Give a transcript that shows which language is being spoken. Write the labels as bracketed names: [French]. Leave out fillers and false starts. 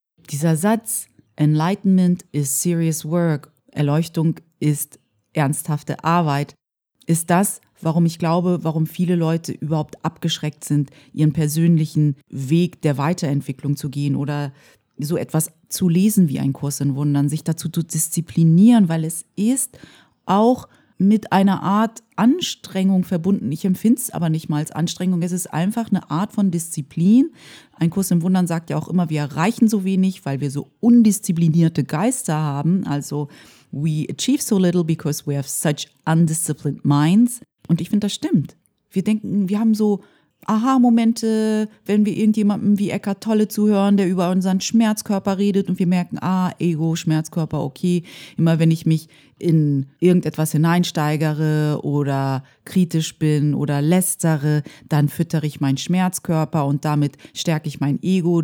[German] Dieser Satz, [English] Enlightenment is serious work, [German] Erleuchtung ist ernsthafte Arbeit, ist das, warum ich glaube, warum viele Leute überhaupt abgeschreckt sind, ihren persönlichen Weg der Weiterentwicklung zu gehen oder so etwas zu lesen wie einen Kurs in Wundern, sich dazu zu disziplinieren, weil es ist auch mit einer Art Anstrengung verbunden. Ich empfinde es aber nicht mal als Anstrengung. Es ist einfach eine Art von Disziplin. Ein Kurs im Wundern sagt ja auch immer, wir erreichen so wenig, weil wir so undisziplinierte Geister haben. [English] Also we achieve so little because we have such undisciplined minds. [German] Und ich finde, das stimmt. Wir denken, wir haben so Aha-Momente, wenn wir irgendjemandem wie Eckhart Tolle zuhören, der über unseren Schmerzkörper redet und wir merken, ah, Ego, Schmerzkörper, okay. Immer wenn ich mich in irgendetwas hineinsteigere oder kritisch bin oder lästere, dann füttere ich meinen Schmerzkörper und damit stärke ich mein Ego.